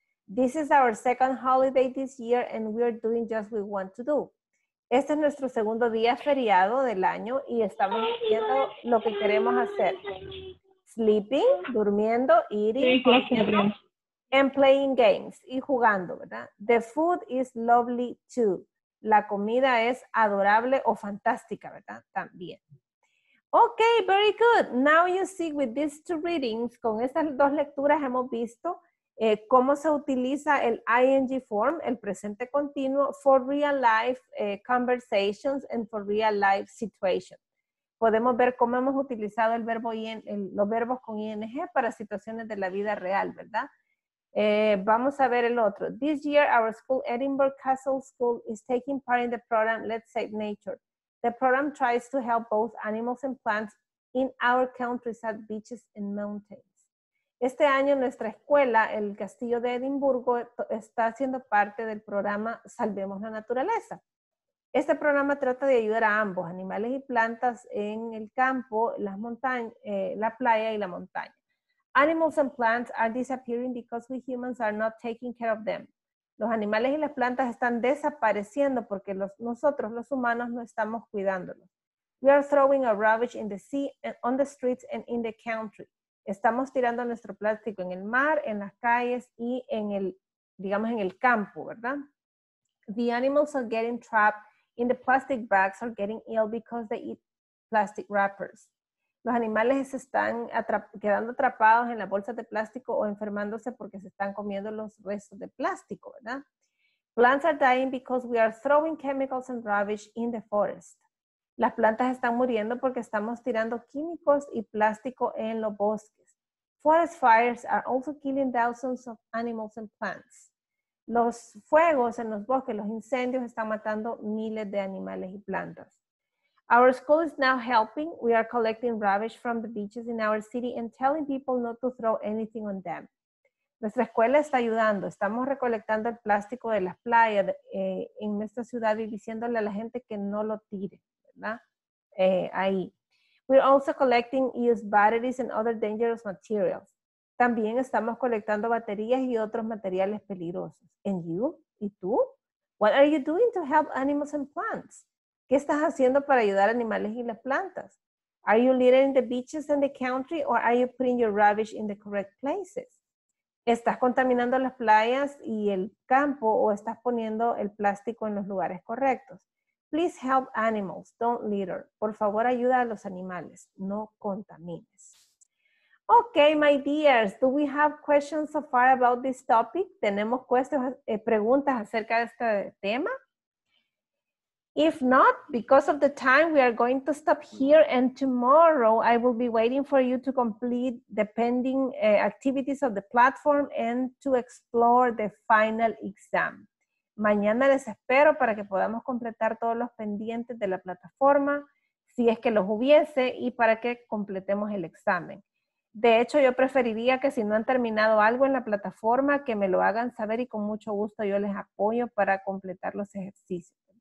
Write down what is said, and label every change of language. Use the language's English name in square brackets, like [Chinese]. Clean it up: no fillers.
[English] This is our second holiday this year and we're doing just what we want to do. [Spanish] Este es nuestro segundo día feriado del año y estamos haciendo lo que queremos hacer. [English] Sleeping, durmiendo, eating, and playing games, [Spanish] y jugando, ¿verdad? [English] The food is lovely too. [Spanish] La comida es adorable o fantástica, ¿verdad? También. [English] Okay, very good. Now you see with these two readings, [Spanish] con estas dos lecturas hemos visto cómo se utiliza el ing form, el presente continuo, [English] for real life conversations and for real life situations. [Spanish] Podemos ver cómo hemos utilizado el verbo los verbos con ing para situaciones de la vida real, ¿verdad? Vamos a ver el otro. [English] This year, our school, Edinburgh Castle School, is taking part in the program Let's Save Nature. The program tries to help both animals and plants in our countryside beaches and mountains. [Spanish] Este año, nuestra escuela, el Castillo de Edimburgo, está siendo parte del programa Salvemos la Naturaleza. Este programa trata de ayudar a ambos, animales y plantas en el campo, las la playa y la montaña. [English] Animals and plants are disappearing because we humans are not taking care of them. [Spanish] Los animales y las plantas están desapareciendo porque nosotros, los humanos, no estamos cuidándolos. [English] We are throwing our rubbish in the sea, and on the streets, and in the country. [Spanish] Estamos tirando nuestro plástico en el mar, en las calles y en el, digamos, en el campo, ¿verdad? [English] The animals are getting trapped in the plastic bags or getting ill because they eat plastic wrappers. [Spanish] Los animales se están quedando atrapados en las bolsas de plástico o enfermándose porque se están comiendo los restos de plástico, ¿verdad? [English] Plants are dying because we are throwing chemicals and rubbish in the forest. [Spanish] Las plantas están muriendo porque estamos tirando químicos y plástico en los bosques. [English] Forest fires are also killing thousands of animals and plants. [Spanish] Los fuegos en los bosques, los incendios, están matando miles de animales y plantas. [English] Our school is now helping. We are collecting rubbish from the beaches in our city and telling people not to throw anything on them. [Spanish] Nuestra escuela está ayudando. Estamos recolectando el plástico de las playas en nuestra ciudad y diciéndole a la gente que no lo tire, ¿verdad? Ahí. [English] We're also collecting used batteries and other dangerous materials. [Spanish] También estamos colectando baterías y otros materiales peligrosos. [English] And you? [Spanish] ¿Y tú? [English] What are you doing to help animals and plants? [Spanish] ¿Qué estás haciendo para ayudar a animales y las plantas? [English] Are you littering the beaches and the country or are you putting your rubbish in the correct places? [Spanish] ¿Estás contaminando las playas y el campo o estás poniendo el plástico en los lugares correctos? [English] Please help animals, don't litter. [Spanish] Por favor, ayuda a los animales, no contamines. [English] Okay, my dears, do we have questions so far about this topic? [Spanish] ¿Tenemos preguntas acerca de este tema? [English] If not, because of the time, we are going to stop here and tomorrow I will be waiting for you to complete the pending activities of the platform and to explore the final exam. [Spanish] Mañana les espero para que podamos completar todos los pendientes de la plataforma, si es que los hubiese, y para que completemos el examen. De hecho, yo preferiría que si no han terminado algo en la plataforma, que me lo hagan saber y con mucho gusto yo les apoyo para completar los ejercicios.